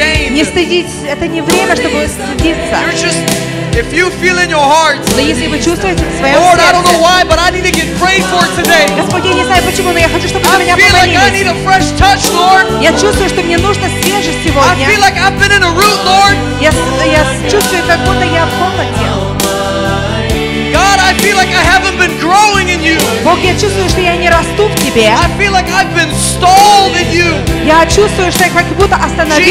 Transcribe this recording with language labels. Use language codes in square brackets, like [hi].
[ru] Не стыдитесь, это не время, чтобы стыдиться. [en] You're just, if you feel in your heart, [ru] если вы чувствуете в своем сердце, [en] Lord, I don't know why, but I need to get prayed for today. [ru] Господи, я не знаю почему, но я хочу, чтобы меня помолились. [en] I feel like I need a fresh touch, Lord. [ru] Я чувствую, что мне нужно свежесть сегодня. [en] I feel like I've been in a root, Lord. [ru] Я чувствую, как будто я в комнате. [en] God, I feel like I haven't been growing in you. [ru] Бог, я чувствую, что я не расту в тебе. [en] I feel like I've been stalled in you. [ru] Я чувствую, что я как будто остановился в тебе.